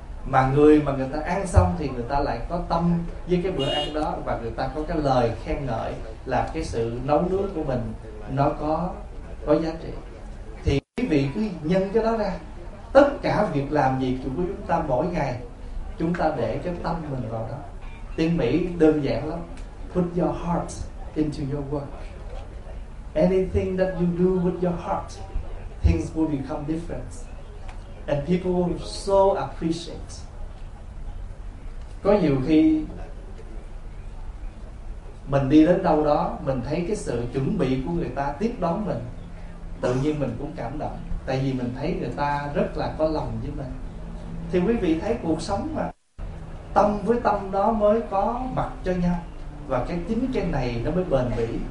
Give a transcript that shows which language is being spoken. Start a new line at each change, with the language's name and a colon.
Vietnamese: Mà người mà người ta ăn xong thì người ta lại có tâm với cái bữa ăn đó, và người ta có cái lời khen ngợi là cái sự nấu nướng của mình nó có giá trị. Thì quý vị cứ nhân cái đó ra. Tất cả việc làm gì của chúng ta mỗi ngày, chúng ta để cái tâm mình vào đó. Tiếng Mỹ đơn giản lắm:
English: put your heart into your work. Anything that you do with your heart, things will become different, and people will so appreciate.
Vietnamese: Có nhiều khi mình đi đến đâu đó, mình thấy cái sự chuẩn bị của người ta tiếp đón mình, tự nhiên mình cũng cảm động. Tại vì mình thấy người ta rất là có lòng với mình. Thì quý vị thấy cuộc sống mà, tâm với tâm đó mới có mặt cho nhau, và cái chính cái này nó mới bền bỉ.